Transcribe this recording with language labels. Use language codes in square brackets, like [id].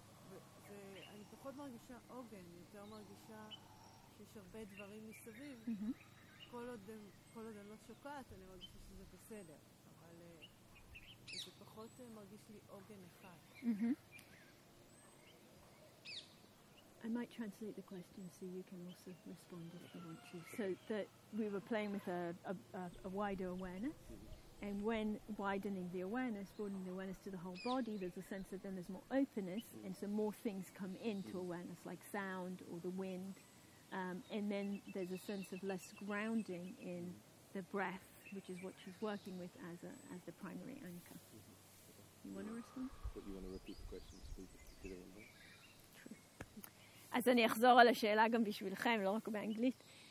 [he] ואני פחות מרגישה עוגן, יותר מרגישה שיש הרבה דברים מסביב. כל עוד אני לא שוקעת, אני מרגישה שזה בסדר. אבל זה פחות מרגיש לי עוגן אחד. [en] I might translate the question so you can also respond if you want to. So that we were playing with a wider awareness. And when widening the awareness, broadening the awareness to the whole body, there's a sense that then there's more openness, and so more things come into awareness, like sound or the wind. And then there's a sense of less grounding in the breath, which is what she's working with as the primary anchor. You want to respond? But you want to repeat the question to the English? [he] אז אני אחזור על השאלה גם בשבילכם, לא רק באנגלית.